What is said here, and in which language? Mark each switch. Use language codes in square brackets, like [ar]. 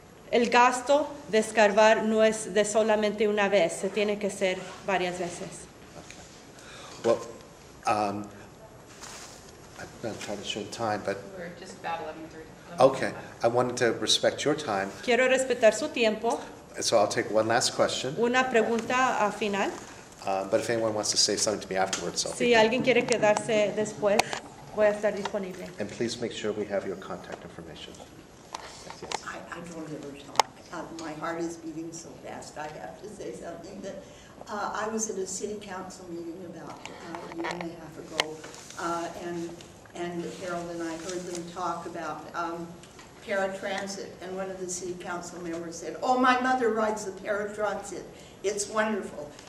[es] El gasto de escarbar no es de solamente una vez, se tiene que ser varias veces. [en] Okay. Well, I'm not trying to show time, but... We're just about 11:30. Okay, I wanted to respect your time. [es] Quiero respetar su tiempo. [en] So I'll take one last question. [es] Una pregunta final. [en] But if anyone wants to say something to me afterwards, I'll [es] Si alguien quiere quedarse después, voy a estar disponible. [en] And please make sure we have your contact information. I don't ever talk. My heart is beating so fast, I have to say something. That I was at a city council meeting about a year and a half ago, and Harold and I heard them talk about paratransit, and one of the city council members said, oh, my mother rides the paratransit. It's wonderful.